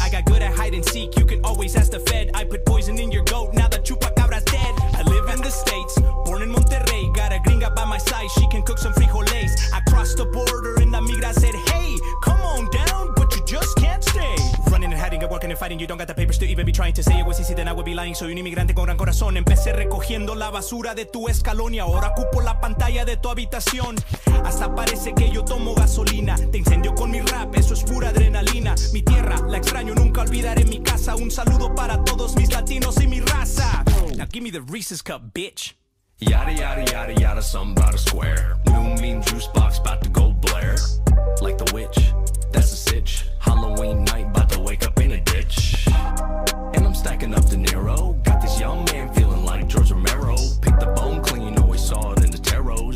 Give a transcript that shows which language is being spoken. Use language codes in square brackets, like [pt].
[en] I got good at hide and seek, you can always ask the fed. I put poison in your goat, now the chupacabra's dead. I live in the States, born in Monterrey. Got a gringa by my side, she can cook some frijoles. I crossed the border and the migra said, hey, come on down, but you just can't stay. Running and hiding and working and fighting, you don't got the papers to even be trying to say it was easy, then I would be lying. [es] Soy un inmigrante con gran corazón. Empecé recogiendo la basura de tu escalón y ahora ocupo la pantalla de tu habitación. Hasta parece que yo tomo gasolina. Te incendio con mi rap, eso es pura adrenalina. Mi tierra, la extraño, nunca olvidaré mi casa. Un saludo para todos mis latinos y mi raza. [en] Now give me the Reese's cup, bitch. Yada, yada, yada, yada, something about a square. New mean juice box, about to go Blair. Like the witch, that's a sitch. Halloween night, about to wake up in a ditch. And I'm stacking up De Niro. Got this young man feeling like George Romero. Pick the bone clean, you know he saw it in the tarot.